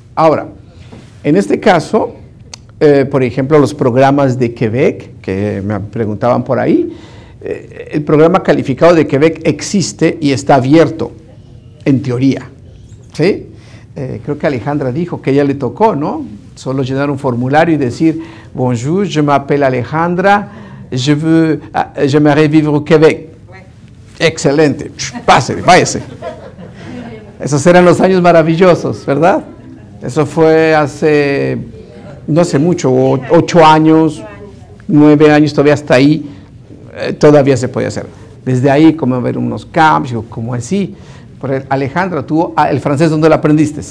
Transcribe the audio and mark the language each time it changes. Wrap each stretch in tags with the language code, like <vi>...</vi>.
<es>Ahora, en este caso, por ejemplo, los programas de Quebec, que me preguntaban por ahí, el programa calificado de Quebec existe y está abierto, en teoría, ¿sí? Creo que Alejandra dijo que ella le tocó, ¿no? Solo llenar un formulario y decir,</es> <fr>bonjour, je m'appelle Alejandra, j'aimerais vivre au Québec.</fr> <es>Ouais. Excelente, pase, váyase. Esos eran los años maravillosos, ¿verdad? Eso fue hace, no hace mucho, 8 años, 9 años, todavía hasta ahí, todavía se podía hacer. Desde ahí, como haber unos cambios, como así. Alejandra, tú, ¿el francés dónde lo aprendiste?</es>